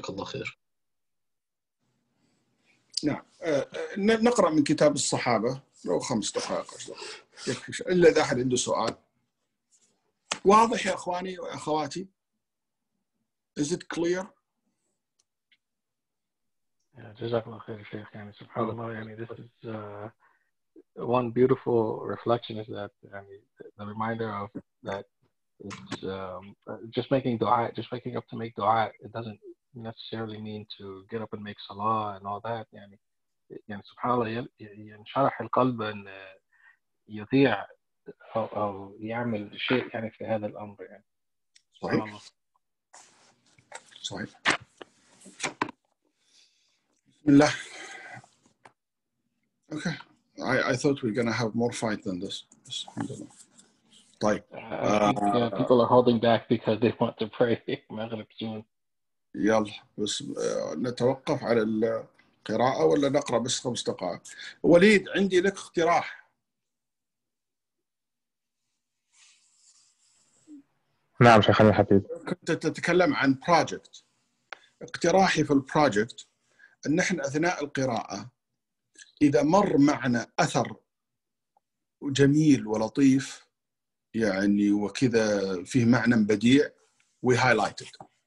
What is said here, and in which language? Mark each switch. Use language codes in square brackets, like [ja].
[ar] جزاك الله خير. نعم، نقرأ من كتاب الصحابة لو خمس دقائق يكفيش، إلا إذا أحد عنده سؤال. واضح يا أخواني وأخواتي؟ [en] Is it clear؟ [ar] جزاك الله خير شيخ، يعني سبحان الله، [en] يعني this is one beautiful reflection is that يعني the reminder of that it's just making dua, just waking up to make dua, it doesn't necessarily mean to get up and make salah and all that. [ar] يعني يعني سبحان الله ينشرح القلب أن يضيع أو يعمل شيء يعني في هذا الأمر يعني. صحيح. بسم الله. [en] Okay. I thought we're gonna have more fight than this. [ar] طيب. [en] Yeah, people are holding back because they want to pray مغرب soon. [ar] يلا بس نتوقف على ال. قراءة ولا نقرأ بس خمس دقائق؟ وليد عندي لك اقتراح. نعم شيخ الحبيب. كنت تتكلم عن بروجكت. اقتراحي في البروجكت أن نحن أثناء القراءة إذا مر معنا أثر جميل ولطيف يعني وكذا فيه معنى بديع [en] we highlighted.